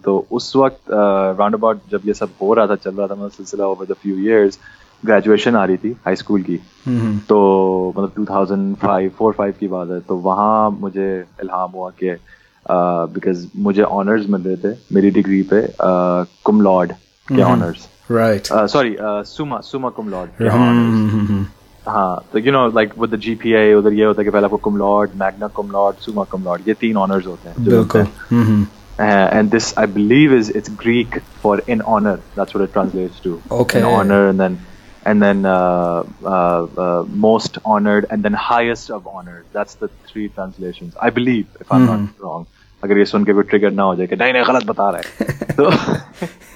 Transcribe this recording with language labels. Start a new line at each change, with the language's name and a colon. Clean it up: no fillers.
Hindi: तो उस वक्त राउंड अबाउट जब ये सब हो रहा था, चल रहा था मतलब सिलसिला
English: over the few years,
Hindi: graduation आ रही थी हाई स्कूल की, तो मतलब 2005 की बात है. तो वहाँ मुझे इल्हाम हुआ कि बिकॉज मुझे ऑनर्स मिल रहे थे मेरी डिग्री पे, कुम लॉड के ऑनर्स, राइट, सॉरी सुमा कुम लॉड के ऑनर्स. हाँ, तो
English: you know like with the GPA
Hindi: उधर ये होता है कि पहले आपको कुम लॉड, मैग्ना कुम लॉड, सुमा कुम लॉड, ये तीन ऑनर्स होते हैं. बिल्कुल.
English: And this, I believe, is it's Greek for in honor. That's what it translates to. Okay. In honor, and then most honored, and then highest of honor. That's the three translations, I believe, if I'm not wrong.
Hindi: अगर ये सुन के कोई trigger ना हो जाए कि नहीं नहीं गलत बता रहा है.